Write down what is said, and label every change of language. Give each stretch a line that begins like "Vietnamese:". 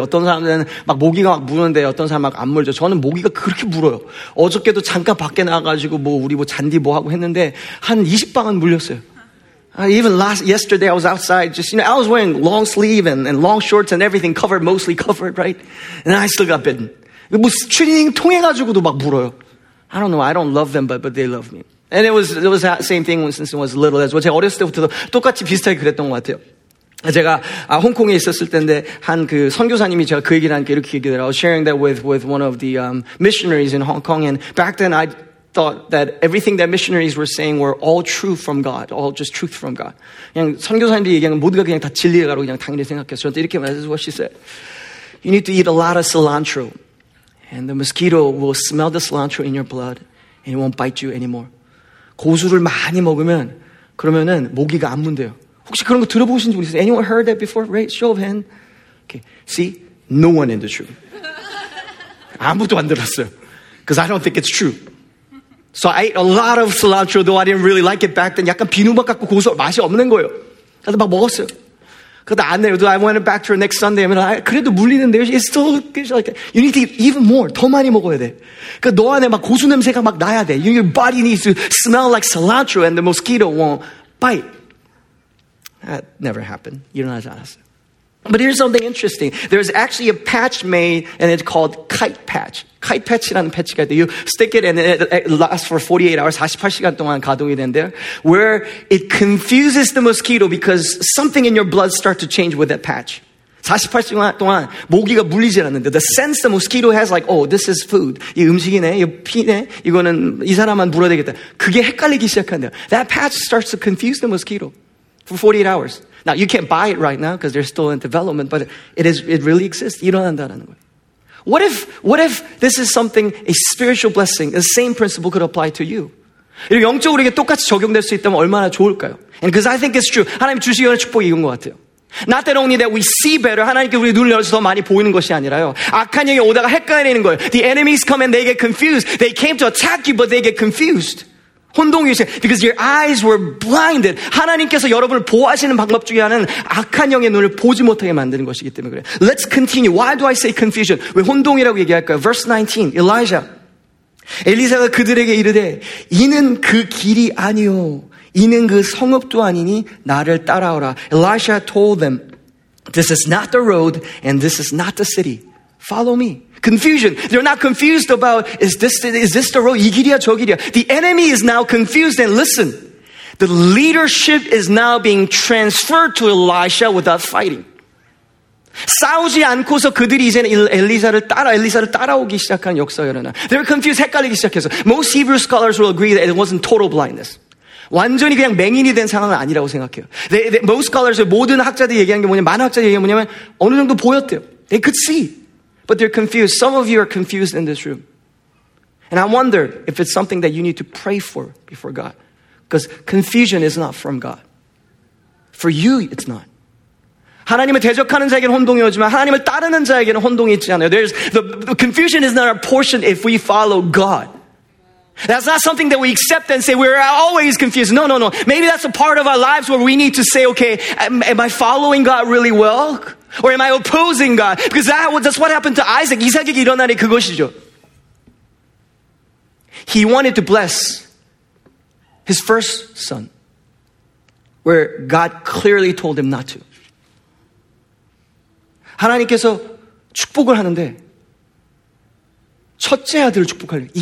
Korean: 어떤 사람들은 막 모기가 막 무는데 어떤 사람 막 안 물죠. 저는 모기가 그렇게 물어요. 어저께도 잠깐 밖에 나가지고 뭐 우리 뭐 잔디 뭐 하고 했는데 한 20방은 물렸어요.
English: Even yesterday I was outside, just, you know, I was wearing long sleeve and long shorts and everything covered, mostly covered, right? And I still got bitten.
Korean: 뭐 스트링 통해 가지고도 막 물어요.
English: I don't know. I don't love them, but they love me. And it was the same thing since I was little as well.
Korean: 제가 어렸을 때부터도 똑같이 비슷하게 그랬던 것 같아요. 제가 홍콩에 있었을 때인데 한 그 선교사님이 제가 그 얘기를 함께 이렇게 얘기하더라고요.
English: I was sharing that with one of the missionaries in Hong Kong, and back then I thought that everything that missionaries were saying were all truth from God, all just truth from God.
Korean: 그냥 선교사님들이 얘기하는 모두가 그냥 다 진리라고 그냥 당연히 생각했어요. 저한테 이렇게 말해서
English: what she said. You need to eat a lot of cilantro, and the mosquito will smell the cilantro in your blood, and it won't bite you anymore.
Korean: 고수를 많이 먹으면 그러면은 모기가 안 문대요. 혹시 그런 거 들어보신 적 있으세요?
English: Anyone heard that before? Right? Show of hand. Okay. See? No one in the truth.
Korean: 아무도 안 들었어요.
English: Because I don't think it's true. So I ate a lot of cilantro, though I didn't really like it back then.
Korean: 약간 비누맛 같고 고소 맛이 없는 거예요. 그래서 막 먹었어요. 그러다 안 내려도
English: I went back to her next Sunday. I mean,
Korean: 그래도 물리는데
English: it's still it's like you need to eat even more.
Korean: 더 많이 먹어야 돼. 그러니까 너 안에 막 고수 냄새가 막 나야 돼.
English: Your body needs to smell like cilantro and the mosquito won't bite. That never happened.
Korean: 일어나지 않았어.
English: But here's something interesting. There's actually a patch made, and it's called kite patch.
Korean: Kite patch라는 패치가 있대.
English: You stick it, and it lasts for 48 hours,
Korean: 48시간 동안 가동이 된대요.
English: Where it confuses the mosquito because something in your blood starts to change with that patch.
Korean: 48시간 동안 모기가 물리지 않는데
English: the sense the mosquito has like, oh, this is food.
Korean: 이 음식이네, 이 피네, 이거는 이 사람만 물어야 되겠다. 그게 헷갈리기 시작한대요.
English: That patch starts to confuse the mosquito for 48 hours. Now, you can't buy it right now because they're still in development, but it really exists.
Korean: 일어난다라는 거예요.
English: What if this is something, a spiritual blessing, the same principle could apply to you?
Korean: 이렇게 영적으로 이게 똑같이 적용될 수 있다면 얼마나 좋을까요?
English: And because I think it's true.
Korean: 하나님 주시기 축복이 이건 것 같아요.
English: Not that only that we see better.
Korean: 하나님께 우리 눈을 열어서 더 많이 보이는 것이 아니라요. 악한 영이 오다가 헷갈리는 거예요.
English: The enemies come and they get confused. They came to attack you, but they get confused.
Korean: 혼동이 있어요.
English: Because your eyes were blinded.
Korean: 하나님께서 여러분을 보호하시는 방법 중에 하나는 악한 영의 눈을 보지 못하게 만드는 것이기 때문에 그래요.
English: Let's continue. Why do I say confusion?
Korean: 왜 혼동이라고 얘기할까요?
English: Verse 19. Elijah.
Korean: 엘리사가 그들에게 이르되 이는 그 길이 아니오. 이는 그 성읍도 아니니 나를 따라오라.
English: Elijah told them, this is not the road and this is not the city. Follow me. Confusion. They're not confused about is this the road?
Korean: 이 길이야, 저 길이야.
English: The enemy is now confused. And listen, the leadership is now being transferred to Elisha without fighting.
Korean: 싸우지 않고서 그들이 이제는 엘리사를 따라오기 시작한 역사가 일어나.
English: They're confused,
Korean: 헷갈리기 시작해서.
English: Most Hebrew scholars will agree that it wasn't total blindness.
Korean: 완전히 그냥 맹인이 된 상황은 아니라고 생각해요.
English: Most scholars,
Korean: 모든 학자들이 얘기한 게 뭐냐면, 많은 학자들이 얘기한 게 뭐냐면 어느 정도 보였대요.
English: They could see. But they're confused. Some of you are confused in this room. And I wonder if it's something that you need to pray for before God. Because confusion is not from God. For you, it's not.
Korean: 하나님을 대적하는 자에게는 혼동이 오지만 하나님을 따르는 자에게는 혼동이 있지 않아요.
English: There's the confusion is not our portion if we follow God. That's not something that we accept and say we're always confused. No, no, no. Maybe that's a part of our lives where we need to say, okay, am I following God really well? Or am I opposing God? Because that's what happened to Isaac.
Korean: 이삭에게 일어난 일 그것이죠.
English: He wanted to bless his first son, where God clearly told him not to.
Korean: 하나님께서 축복을 하는데 첫째 아들을 축복하려고.